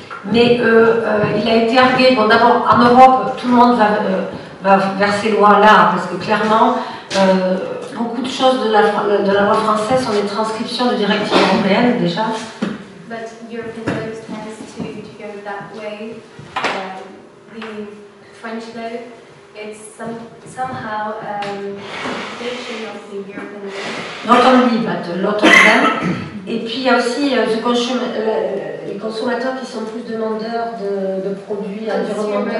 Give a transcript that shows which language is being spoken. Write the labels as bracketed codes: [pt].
[fr] Mais il a été argué, d'abord en Europe, tout le monde va vers ces lois-là, parce que clairement, beaucoup de choses de la loi française sont des transcriptions de directives européennes déjà. [en] But European laws tend to go that way. The French law, it's somehow a dictation of the European law. Not only, but a lot of them. [fr] Et puis il y a aussi les consommateurs qui sont plus demandeurs de produits environnementaux.